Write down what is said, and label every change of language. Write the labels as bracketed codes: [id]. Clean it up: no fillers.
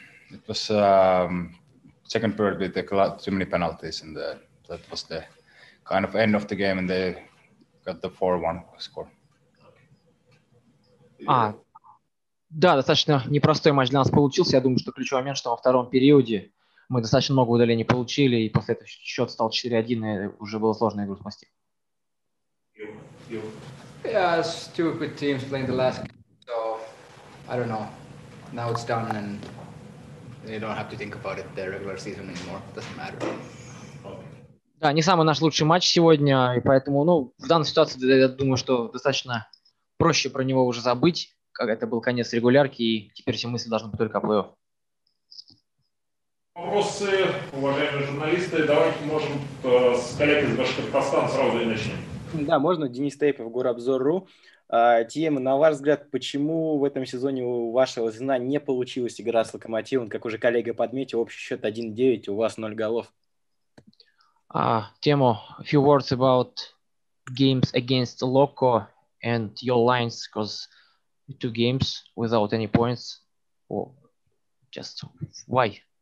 [en] It was second period with too many penalties, and that was the kind of end of the game, and they got the 4-1 score. [ru] А, да, достаточно непростой матч для нас получился. Я думаю, что ключевой момент, что во втором периоде мы достаточно много удалений получили, и после этого счет стал 4-1, и уже было сложно игру смести. [en] Yes, two good teams playing the last game, so I don't know. Now it's done, and you don't have to think about it, the regular season anymore. It doesn't matter. [ru] Да, не самый наш лучший матч сегодня, и поэтому, ну, в данной ситуации, я думаю, что достаточно проще про него уже забыть, как это был конец регулярки, и теперь все мысли должны быть только о плей-офф. Вопросы, уважаемые журналисты, давайте можем с коллегой из Башкортостана сразу и начнем. Да, можно, Денис Тейпов, Горобзор.ру. Тем, на ваш взгляд, почему в этом сезоне у вашего звена не получилась игра с Локомотивом? Как уже коллега подметил, общий счет 1-9, у вас 0 голов. [en] Тему, a few words about games against Loco and your lines, because two games without any points, or just why?